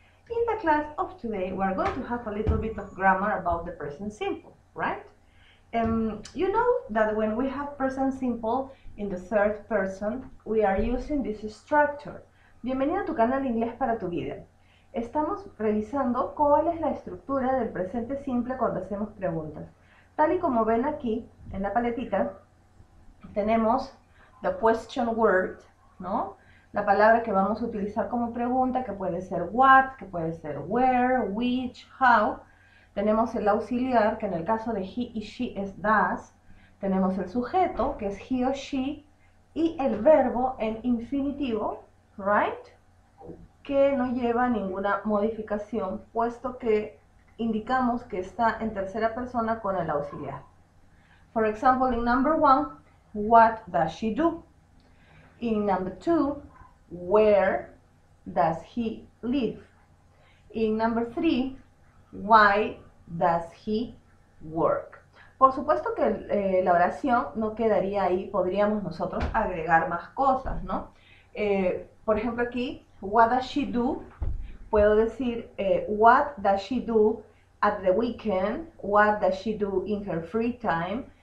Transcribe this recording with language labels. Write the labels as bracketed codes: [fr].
[en] In the class of today, we are going to have a little bit of grammar about the present simple, right? You know that when we have present simple in the third person, we are using this structure. [es] Bienvenido a tu canal Inglés para tu vida. Estamos revisando cuál es la estructura del presente simple cuando hacemos preguntas. Tal y como ven aquí, en la paletita, tenemos [en] the question word, [es] ¿no? La palabra que vamos a utilizar como pregunta, que puede ser what, que puede ser where, which, how. Tenemos el auxiliar, que en el caso de he y she es does. Tenemos el sujeto, que es he o she. Y el verbo en infinitivo, right? Que no lleva ninguna modificación, puesto que indicamos que está en tercera persona con el auxiliar. [en] For example, in number one, what does she do? In number two, where does he live? In number three, why does he work? [es] Por supuesto que la oración no quedaría ahí, podríamos nosotros agregar más cosas, ¿no? Por ejemplo aquí, [en] what does she do? [es] Puedo decir, [en] what does she do at the weekend? What does she do in her free time?